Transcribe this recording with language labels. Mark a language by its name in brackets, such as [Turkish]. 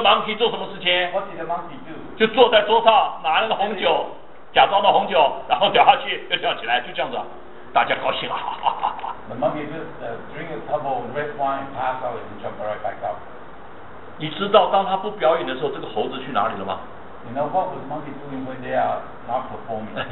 [Chinese] monkey 做什么事情 [English] ？What did the monkey do？ [Chinese] 就坐在桌上，拿那个红酒，假装的红酒，然后掉下去又跳起来，就这样子，大家高兴啊。 [English] The monkey just drink a tub of red wine, pass out, and jump right back up. [Chinese] 你知道当他不表演的时候，这个猴子去哪里了吗 [English] ？You know what was monkey doing when they are not performing？